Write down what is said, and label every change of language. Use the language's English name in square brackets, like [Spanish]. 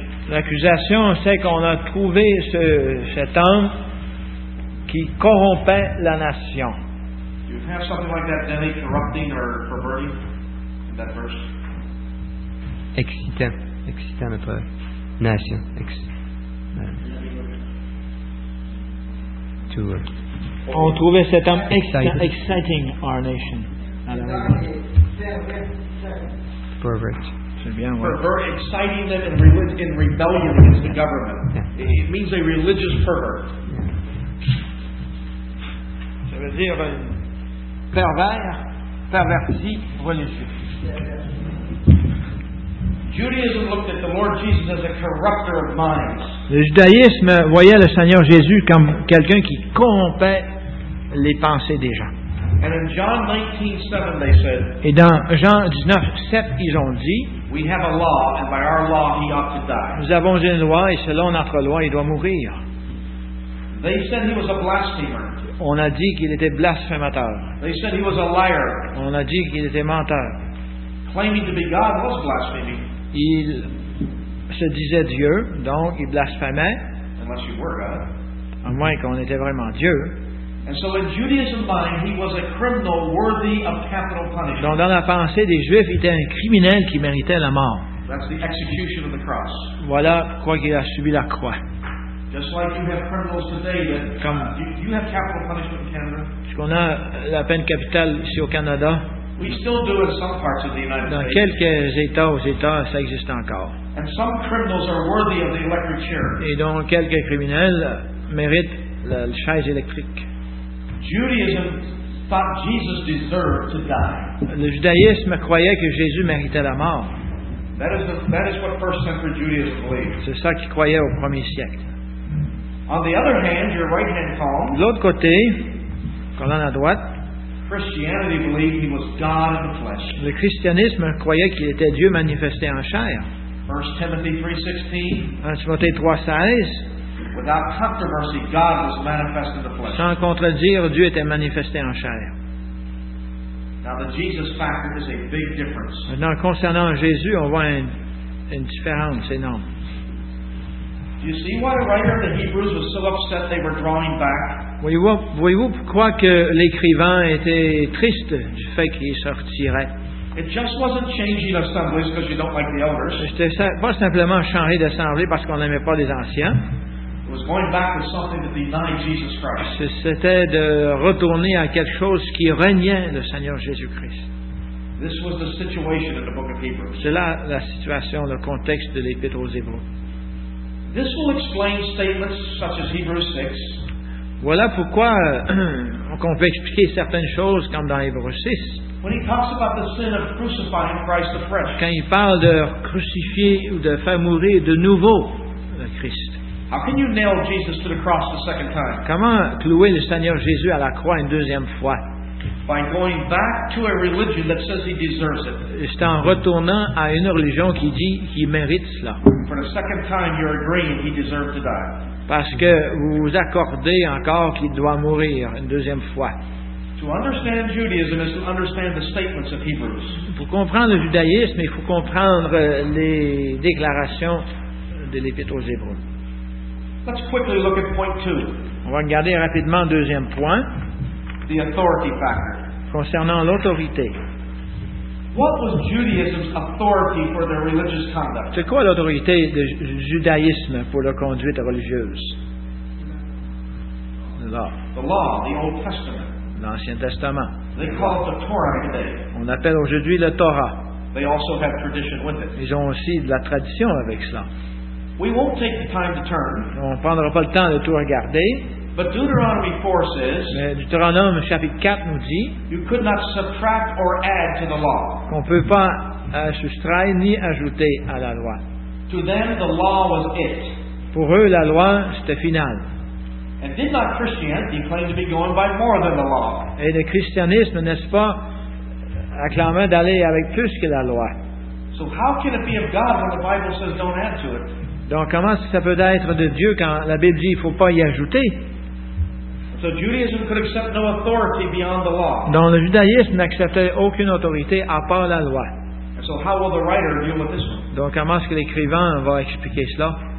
[French] L'accusation, c'est qu'on a trouvé cet homme qui corrompait la nation. [English] You have something like that, Denny, corrupting or perverting, in that verse? [French] Excitant notre nation. On trouvait cet homme [English] exciting our nation. Pervert. [French] C'est bien, ouais. [English] Pervert, exciting them in rebellion against the government. Yeah. It means a religious pervert. Yeah. [French] Ça veut dire perverti religieux. [English] Judaism looked at the Lord Jesus as a corrupter of minds. [French] Le judaïsme voyait le Seigneur Jésus comme quelqu'un qui corrompait les pensées des gens. [English] And in John 19:7 they said, [French] et dans Jean 19:7 ils ont dit, [English] we have a law and by our law he ought to die. [French] Nous avons une loi et selon notre loi il doit mourir. [English] They said he was a blasphemer. [French] On a dit qu'il était blasphémateur. [English] They said he was a liar. [French] On a dit qu'il était menteur. [English] Claiming to be God was blasphemy. [French] Il se disait Dieu, donc il blasphémait. [English] Unless you were God. [French] À moins qu'on était vraiment Dieu. [English] And so in Judaism's mind, he was a criminal worthy of capital punishment. [French] Donc dans la pensée des Juifs, il était un criminel qui méritait la mort. [English] That's the execution of the cross. [French] Voilà pourquoi il a subi la croix. [English] Just like you have criminals today, do you have capital punishment in Canada? [French] Est-ce qu'on a la peine capitale ici au Canada? [English] We still do in some parts of the United States. [French] Dans quelques États, aux États, ça existe encore. [English] And some criminals are worthy of the electric chair. [French] Et donc quelques criminels méritent la chaise électrique. [English] Judaism thought Jesus deserved to die. [French] Le judaïsme croyait que Jésus méritait la mort. [English] That is what first century Judaism believed. [French] C'est ça qu'ils croyaient au premier siècle. [English] On the other hand, your right hand column. [French] De l'autre côté, colonne à droite. [English] Christianity believed he was God in the flesh. [French] Le christianisme croyait qu'il était Dieu manifesté en chair. [English] 1 Timothy 3:16. Without controversy, God was manifest in the flesh. [French] Sans contredire, Dieu était manifesté en chair. [English] Now the Jesus factor is a big difference. [French] Maintenant, concernant Jésus, on voit une différence énorme. [English] Do you see why the writer of the Hebrews was so upset they were drawing back? [French] Voyez-vous pourquoi que l'écrivain était triste du fait qu'il sortirait? [English] It just wasn't changing assemblies because you don't like the elders. [French] C'était pas simplement changer d'assemblée parce qu'on n'aimait pas les anciens. [English] Was going back to something that denied Jesus Christ. [French] C'était de retourner à quelque chose qui reniait le Seigneur Jésus-Christ. [English] This was the situation in the book of Hebrews. [French] C'est là la situation, le contexte de l'Épître aux Hébreux. [English] This will explain statements such as Hebrews 6. [French] Voilà pourquoi on peut expliquer certaines choses comme dans Hébreux 6. [English] When he talks about the sin of crucifying Christ afresh. [French] Quand il parle de crucifier ou de faire mourir de nouveau le Christ. [English] How can you nail Jesus to the cross the second time? [French] Comment clouer le Seigneur Jésus à la croix une deuxième fois? [English] By going back to a religion that says he deserves it. [French] C'est en retournant à une religion qui dit qu'il mérite cela. [English] For the second time, you're agreeing he deserved to die. [French] Parce que vous vous accordez encore qu'il doit mourir une deuxième fois. [English] To understand Judaism is to understand the statements of Hebrews. [French] Pour comprendre le judaïsme, il faut comprendre les déclarations de l'Épître aux Hébreux. [English] Let's quickly look at point two. [French] On va regarder rapidement le deuxième point. [English] The authority factor. [French] Concernant l'autorité. [English] What was Judaism's authority for their religious conduct? [French] C'est quoi l'autorité du judaïsme pour leur conduite religieuse? [English] The law, the Old Testament. [French] L'Ancien Testament. [English] They call it the Torah today. [French] On appelle aujourd'hui le Torah. [English] They also have tradition with it. [French] Ils ont aussi de la tradition avec cela. [English] We won't take the time to turn. [French] On prendra pas le temps de tout regarder. [English] But Deuteronomy 4 says. [French] Mais Deutéronome chapitre 4 nous dit. [English] You could not subtract or add to the law. [French] On peut pas soustraire ni ajouter à la loi. [English] To them, the law was it. [French] Pour eux, la loi c'était final. [English] And did not Christianity claim to be going by more than the law? [French] Et le christianisme, n'est-ce pas, acclamait d'aller avec plus que la loi. [English] So how can it be of God when the Bible says don't add to it? [French] Donc comment ça peut être de Dieu quand la Bible dit qu'il ne faut pas y ajouter? [English] So Judaism could accept no authority beyond the law. [French] Donc le judaïsme n'acceptait aucune autorité à part la loi. [English] And so how will the writer deal with this one? [French] Donc comment est-ce que l'écrivain va expliquer cela?